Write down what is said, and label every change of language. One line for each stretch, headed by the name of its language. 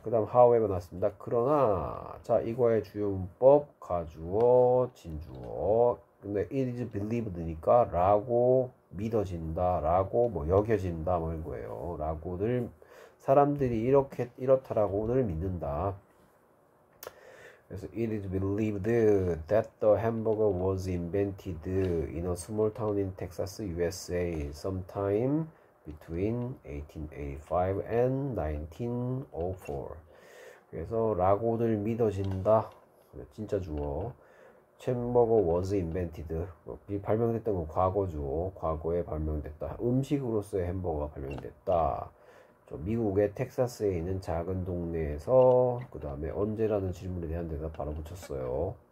Korean: 그 다음 however 나왔습니다. 그러나 자 이거의 주요 문법 가주어 진주어 근데
English: it is believed
Korean: 니까 라고 믿어진다 라고 뭐 여겨진다 뭐 이런 거예요. 라고 늘 사람들이 이렇게 이렇다라고 늘 믿는다.
English: 그래서 it is believed that the hamburger was invented in a small town in Texas, USA sometime between 1885 and 1904.
Korean: 그래서 라고들 믿어진다. 진짜 주어. 햄버거
English: was invented.
Korean: 발명됐던 건 과거죠. 과거에 발명됐다. 음식으로서의 햄버거가 발명됐다. 저 미국의 텍사스에 있는 작은 동네에서 그 다음에 언제라는 질문에 대한 대답 바로 붙였어요.